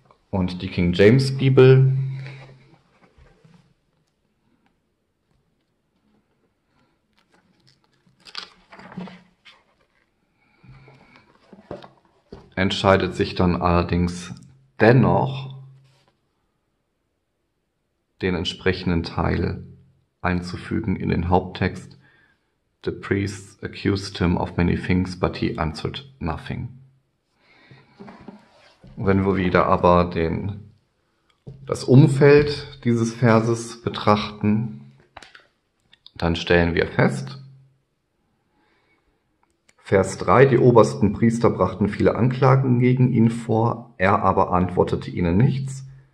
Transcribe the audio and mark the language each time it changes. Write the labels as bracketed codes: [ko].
[de] Und die King James Bibel entscheidet sich dann allerdings dennoch, den entsprechenden Teil einzufügen in den Haupttext. [en] The priests accused him of many things, but he answered nothing. [de] Wenn wir wieder aber das Umfeld dieses Verses betrachten, dann stellen wir fest, Vers 3, die obersten Priester brachten viele Anklagen gegen ihn vor, er aber antwortete ihnen nichts.